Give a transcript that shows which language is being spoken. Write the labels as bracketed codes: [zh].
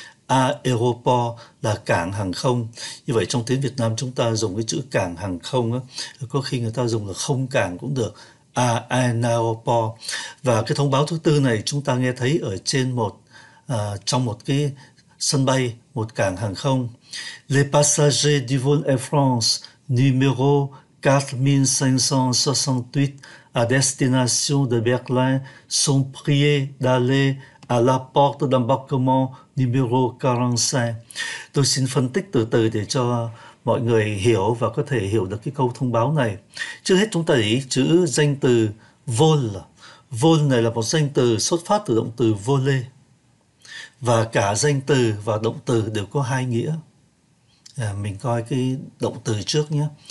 [vi] Aeroport là cảng hàng không. Như vậy trong tiếng Việt Nam chúng ta dùng cái chữ cảng hàng không á, có khi người ta dùng là không cảng cũng được. Aeroport. Và cái thông báo thứ tư này chúng ta nghe thấy ở trên một trong một cái sân bay, một cảng hàng không. [fr] Les passagers du vol Air France numéro 4568 à destination de Berlin sont priés d'aller à la porte d'embarquement numéro 45. [vi] Tôi xin phân tích từ từ để cho mọi người hiểu và có thể hiểu được cái câu thông báo này. Trước hết chúng ta để ý chữ danh từ vol. Vol này là một danh từ xuất phát từ động từ voler. Và cả danh từ và động từ đều có hai nghĩa. À, mình coi cái động từ trước nhé.